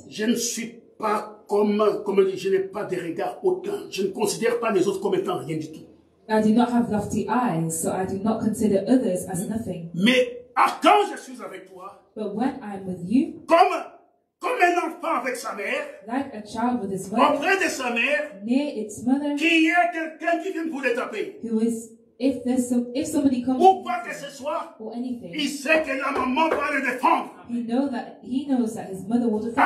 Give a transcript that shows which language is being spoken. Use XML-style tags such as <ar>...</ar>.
<fr>je ne suis pas comme je n'ai pas de regard hautain. Je ne considère pas les autres comme étant rien du tout.</fr> <en>I do not have lofty eyes, so I do not consider others as nothing.</en> <fr>Mais quand je suis avec toi,</fr> <en>but when I'm with you,</en> <fr>comme un enfant avec sa mère,</fr> <en>like a child with his mother,</en> <fr>auprès de sa mère,</fr> <en>near its mother,</en> <fr>qui est quelqu'un qui vient vous le taper,</fr> <en>who is, if there's some, if somebody comes,</en> <fr>ou quoi que ce soit,</fr> <en>or anything,</en> <fr>il sait que la maman va le défendre.</fr> <en>You know that he knows that his mother will defend.</en>